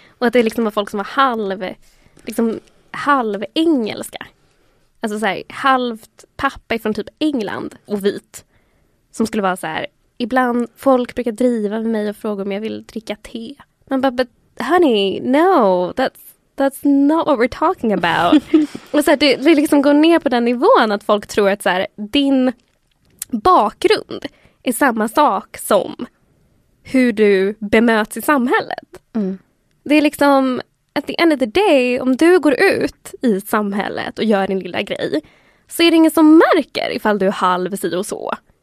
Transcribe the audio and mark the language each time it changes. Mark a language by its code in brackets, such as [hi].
[sv] Och att det liksom var folk som var halv, liksom halv engelska. Alltså så här, halvt pappa från typ England och vit. Som skulle vara så här, ibland folk brukar driva med mig och fråga om jag vill dricka te. Men bara, [en] but honey, no, that's that's not what we're talking about. [sv] Och så här, det liksom går ner på den nivån att folk tror att så här, din bakgrund är samma sak som hur du bemöts i samhället. Mm. Det är liksom, [en] at the end of the day, [sv] om du går ut i samhället och gör din lilla grej, så är det ingen som märker ifall du är halv si och så.